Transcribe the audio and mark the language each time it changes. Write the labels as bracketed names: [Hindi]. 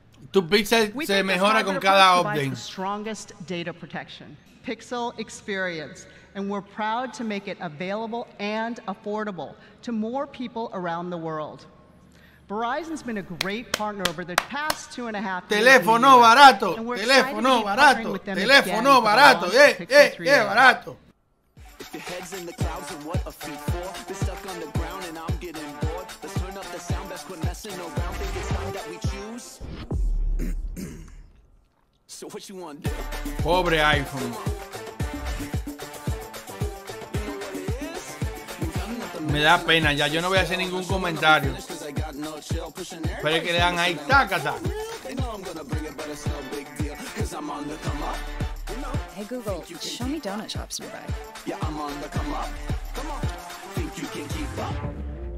[Spanish] Tu Pixel se mejora con cada update. [English] The strongest data protection, Pixel experience, and we're proud to make it available and affordable to more people around the world. Verizon's been a great partner over the past 2.5 years. [Spanish] Teléfono barato. Teléfono barato. Teléfono barato. Barato. [English] Your head's in the clouds, and what a feat for? Been stuck on the ground, and I'm getting bored. Let's turn up the sound, best quit messing around. Think it's time that we choose. So what you want to do? [Spanish] Pobre iPhone. Me da pena, ya yo no voy a hacer ningún comentario. Pero es que le dan ahí, taca, taca. [English] Hey Google, show me donut shops nearby. Yeah, I'm on the come up. Come on. Think you can keep up?